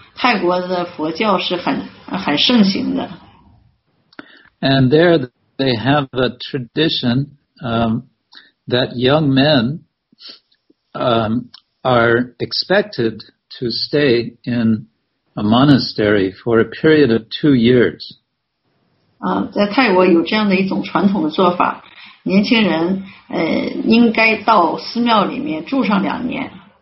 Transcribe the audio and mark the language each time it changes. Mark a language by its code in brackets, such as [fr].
[zh] 泰国的佛教是很盛行的。 [en] And there they have a tradition that young men are expected to stay in a monastery for a period of 2 years. [zh] 在泰国有这样的一种传统的做法，年轻人应该到寺庙里面住上两年。